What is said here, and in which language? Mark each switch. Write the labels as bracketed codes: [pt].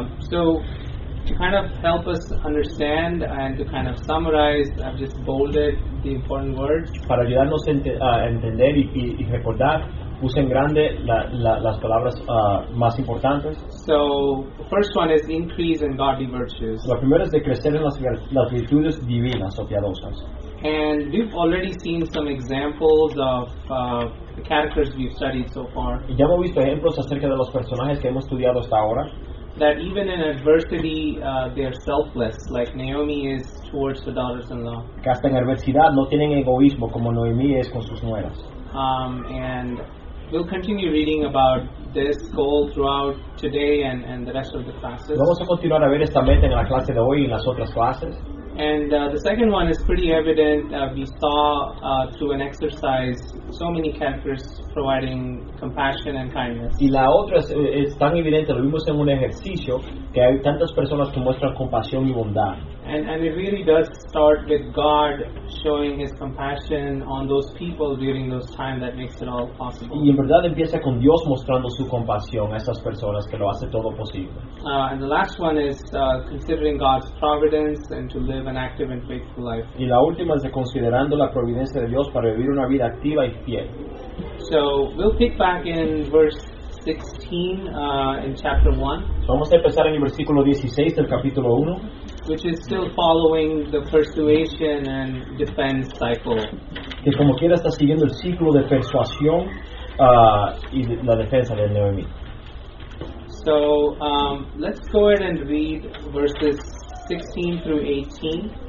[en] So, to kind of help us understand and to kind of summarize, I've just bolded the important words. [es] Para ayudarnos a entender y recordar, puse en grande las palabras más importantes. [en] So, the first one is increase in godly virtues. [es] La primera es de crecer en las virtudes divinas o piadosas. [en] And we've already seen some examples of the characters we've studied so far. [es] Ya hemos visto ejemplos acerca de los personajes que hemos estudiado hasta ahora. [en] That even in adversity, they're selfless, like Naomi is towards the daughters-in-law. [es] Que hasta en adversidad no tienen egoísmo como Noemí es con sus nueras. [en] And we'll continue reading about this goal throughout today and the rest of the classes. [es] Vamos a continuar a ver esta meta en la clase de hoy y en las otras clases. [en] And the second one is pretty evident. We saw through an exercise so many characters providing compassion and kindness. [es] Y la otra es tan evidente, lo vimos en un ejercicio, que hay tantas personas que muestran compasión y bondad. [en] And it really does start with God showing his compassion on those people during those times that makes it all possible. [es] Y en verdad empieza con Dios mostrando su compasión a esas personas que lo hace todo posible. [en] And the last one is considering God's providence and to live an active and faithful life. [es] Y la última es de considerando la providencia de Dios para vivir una vida activa y fiel. [en] So we'll pick back in verse 16 in chapter 1. [es] So vamos a empezar en el versículo 16 del capítulo 1. [en] Which is still following the persuasion and defense cycle. [es] Que como quiera está siguiendo el ciclo de persuasión y la defensa de Noemí. [en] So, let's go ahead and read verses 16 through 18.